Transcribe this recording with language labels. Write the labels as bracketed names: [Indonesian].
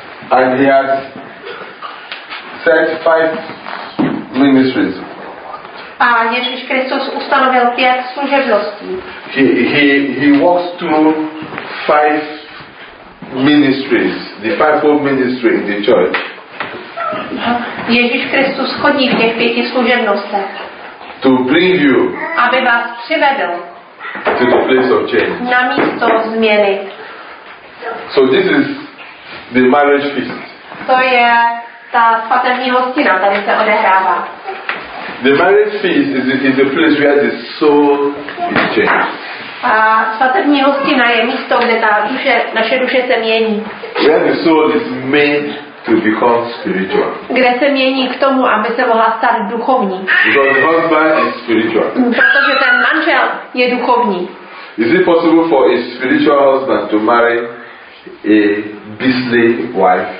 [English] And he has set 5 ministries. [Czech] A Ježíš Kristus ustanovil 5 služebností. [English] He walks through 5 ministries, the 5-fold ministry in the church. [Czech] Ježíš Kristus chodí v těch 5 služebnostech. [English] To bring you. [Czech] Aby vás přivedl. [English] To the place of change. [Czech] Na místo změny. [English] So this is the marriage feast. [Czech] To je ta svatební hostina, tady se odehrává. [English] The marriage feast is a place where the soul is changed. [Czech] A svatební hostina je místo, kde ta duše, naše duše se mění. [English] Where the soul is made to become spiritual. [Czech] Kde se mění k tomu, aby se mohla stát duchovní. [English] Because the husband is spiritual. [Czech] Protože ten manžel je duchovní. [English] Is it possible for a spiritual husband to marry a beastly wife?